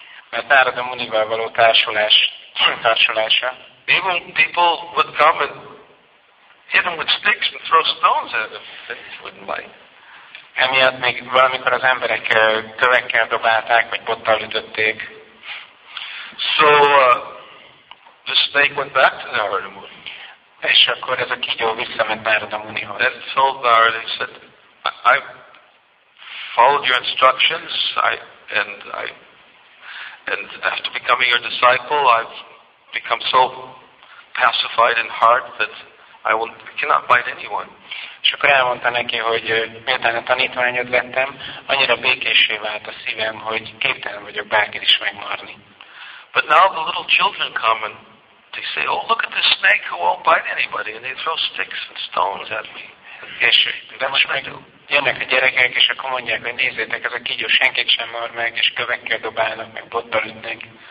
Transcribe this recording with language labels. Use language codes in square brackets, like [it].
[hu] Mert Narada Munival való társulása. [en] Even people would come and hit him with sticks and throw stones at him that he wouldn't like. [hu] Emiatt még valamikor az emberek kövekkel dobálták, vagy bottal ütötték. [en] So the snake went back to Narada Muni. [hu] És akkor ez a kígyó visszament Narada Munihoz. [en] And told Narada, he said, I followed your instructions, and after becoming your disciple, I've become so pacified in heart that I cannot bite anyone. [hu] És akkor elmondta neki, hogy miután a tanítványod lettem, annyira békéssé vált a szívem, hogy képtelen vagyok bárkit is megmarni. [en] But now the little children come and they say, oh, look at this snake who won't bite anybody, and they throw sticks and stones at me. [hu] És de most meg jönnek a gyerekek, és akkor mondják, hogy nézzétek, ez a kígyó senkit sem mar meg, és kövekkel dobálnak, meg bottal ütnek.